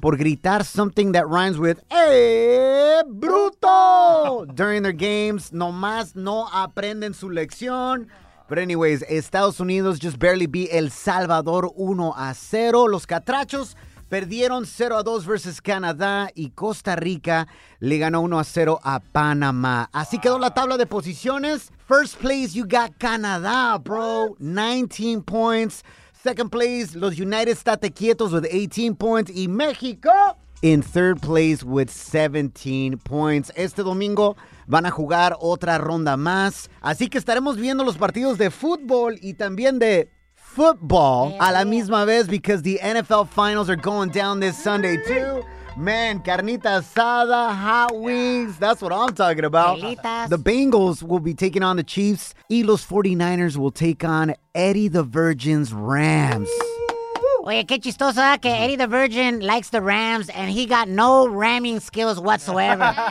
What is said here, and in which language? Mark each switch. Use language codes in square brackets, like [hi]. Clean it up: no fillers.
[es] Por gritar [en] something that rhymes with bruto during their games. [es] Nomás no aprenden su lección. [en] But anyways, Estados Unidos just barely beat El Salvador 1-0. [es] Los catrachos perdieron 0-2 versus Canadá y Costa Rica le ganó 1-0 a Panamá. Así quedó la tabla de posiciones. [en] First place, you got Canadá, bro. 19 points. Second place, los United State Quietos with 18 points. Y México in third place with 17 points. [es] Este domingo van a jugar otra ronda más. Así que estaremos viendo los partidos de fútbol y también de football a la misma vez [en] because the NFL finals are going down this Sunday too. Man, carnita asada, hot wings. That's what I'm talking about. Carlitas. The Bengals will be taking on the Chiefs. Y los 49ers will take on Eddie the Virgin's Rams. [es] Oye, qué chistoso que [en] Eddie the Virgin likes the Rams and he got no ramming skills whatsoever.